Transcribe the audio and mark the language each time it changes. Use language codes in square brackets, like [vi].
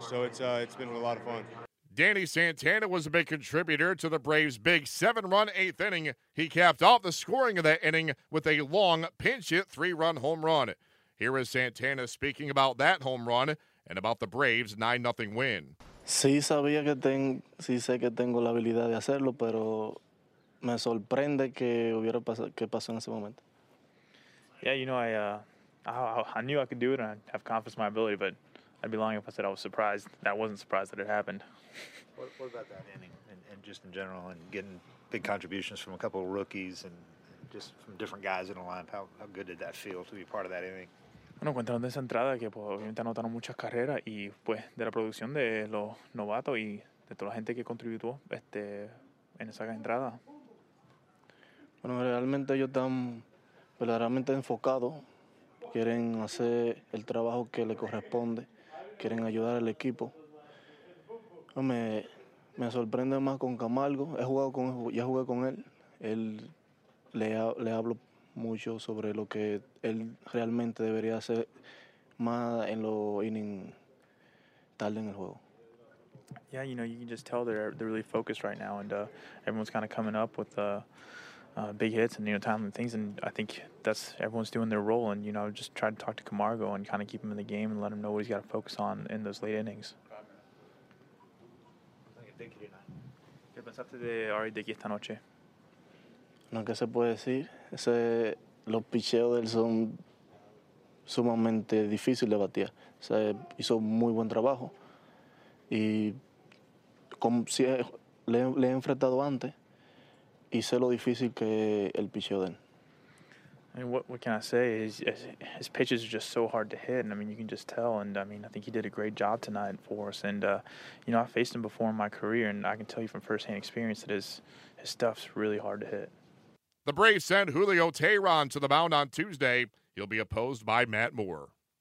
[en] So it's been a lot of fun. Danny Santana was a big contributor to the Braves' big 7-run 8th inning. He capped off the scoring of that inning with a long pinch-hit 3-run home run. Here is Santana speaking about that home run and about the Braves' 9-0 win. [es] Sí sabía que sé que tengo la habilidad de hacerlo, pero me sorprende que hubiera que pasó en ese momento. [en] Yeah, you know, I knew I could do it and I have confidence in my ability, but I'd be lying if I said I was surprised. That wasn't surprised that it happened. What about that inning and just in general and getting big contributions from a couple of rookies and just from different guys in the lineup? How good did that feel to be part of that inning? [es] Bueno, cuentan de esa entrada que pues, obviamente anotaron muchas carreras y pues de la producción de los novatos y de toda la gente que contribuyó en esa entrada. Bueno, realmente ellos están verdaderamente enfocados, quieren hacer el trabajo que le corresponde, quieren ayudar al equipo. Me sorprende más con Camargo, ya jugué con él, él le hablo mucho sobre lo que él realmente debería hacer más en lo inning tarde en el juego. [en] Yeah, you know, you can just tell they're really focused right now, and everyone's kind of coming up with big hits and, you know, timely things, and I think that's everyone's doing their role, and, you know, just try to talk to Camargo and kind of keep him in the game and let him know what he's got to focus on in those late innings. [es] ¿Qué pensaste de Ari Dickey esta noche? No, ¿qué se puede decir? Los picheos de él son sumamente difíciles de batir. Se hizo muy buen trabajo. Y como si le he enfrentado antes, y sé lo difícil que el picheo de él. [en] I mean, what can I say? His pitches are just so hard to hit, and, I mean, you can just tell. And, I mean, I think he did a great job tonight for us. And, you know, I faced him before in my career, and I can tell you from firsthand experience that his stuff's really hard to hit. The Braves sent Julio Teheran to the mound on Tuesday. He'll be opposed by Matt Moore.